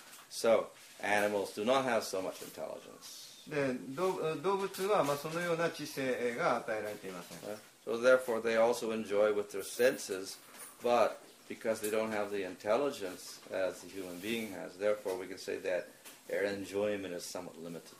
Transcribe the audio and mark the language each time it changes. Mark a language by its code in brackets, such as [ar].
[en] So animals do not have so much intelligence. [ja] で、動物は、まあ、そのような知性が与えられていません。 [en] So therefore they also enjoy with their senses, but because they don't have the intelligence as the human being has, therefore we can say that their enjoyment is somewhat limited.